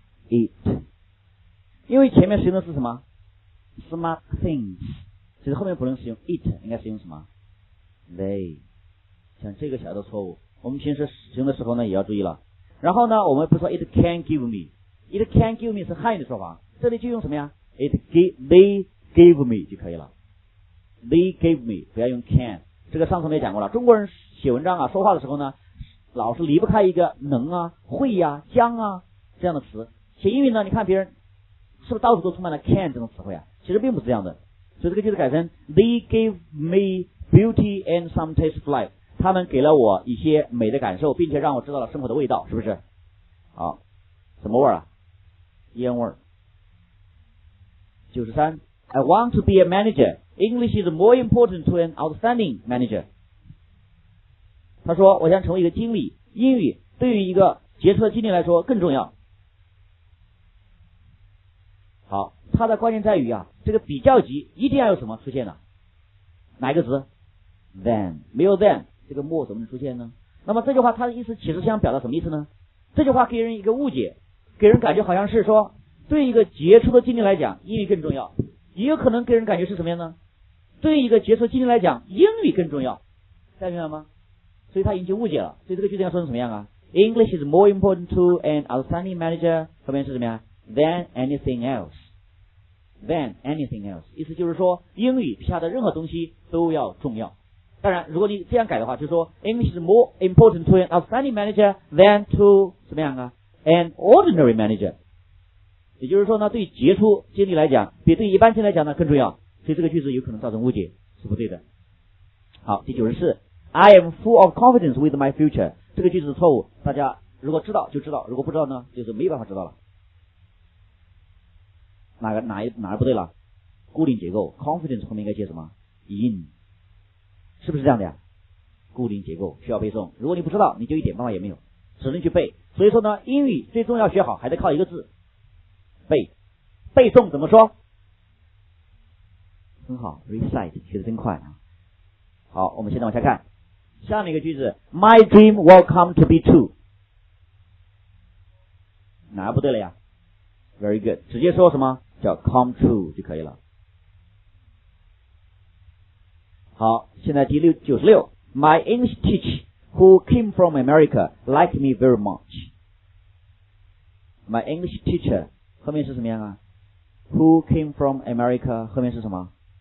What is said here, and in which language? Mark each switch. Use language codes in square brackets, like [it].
[zh] it， 因为前面使用的是什么？smart things， 其实后面不能使用 it， 应该使用什么？ they， 像这个小的错误，我们平时使用的时候呢也要注意了。然后呢，我们不说 [en] it can give me， [zh] it can give me 是汉语的说法，这里就用什么呀？ [en] they gave me 就可以了。 [zh] they gave me 不要用 can， 这个上次我们也讲过了。中国人写文章啊，说话的时候呢，老是离不开一个能啊、会啊、将啊这样的词。写英语呢，你看别人是不是到处都充满了 can 这种词汇啊？其实并不是这样的，所以这个句子改成 [en] they gave meBeauty and some taste of life， [zh] 他们给了我一些美的感受，并且让我知道了生活的味道，是不是？好，什么味儿啊？烟味儿。 [en] 93 I want to be a manager. English is more important to an outstanding manager. [zh] 他说我想成为一个经理，英语对于一个杰出的经理来说更重要。好，他的关键在于啊，这个比较级一定要有什么出现呢、啊？哪个词？ than， 没有 than， 这个 more 怎么能出现呢？那么这句话它的意思其实想表达什么意思呢？这句话给人一个误解，给人感觉好像是说对一个杰出的经理来讲英语更重要，也有可能给人感觉是什么样呢？对一个杰出的经理来讲英语更重要，大家明白吗？所以他已经误解了，所以这个句子要说成什么样啊？ [en] English is more important to an outstanding manager [zh] 后面是什么样？ than anything else， than anything else， 意思就是说英语底下的任何东西都要重要。当然如果你这样改的话，就是说 [en] English is more important to an outstanding manager than to [zh] 怎么样啊？ an ordinary manager， 也就是说呢，对杰出经理来讲比对一般经理来讲呢更重要，所以这个句子有可能造成误解，是不对的。好，第94 [en] I am full of confidence with my future， [zh] 这个句子的错误，大家如果知道就知道，如果不知道呢就是没办法知道了。哪儿不对了？固定结构 confidence 后面应该接什么？ in，是不是这样的呀？固定结构需要背诵，如果你不知道你就一点办法也没有，只能去背。所以说呢，英语最重要学好还得靠一个字，背。背诵怎么说？很好， recite 学得真快啊。好，我们现在往下看下面一个句子， [en] My dream will come to be true， [zh] 哪不对了呀？ [en] Very good， [zh] 直接说什么叫 come true 就可以了。好，现在第96， [en] My English teacher who came from America liked me very much。 My English teacher [zh] 后面是什么样啊？ [en] Who came from America [zh] 后面是什么？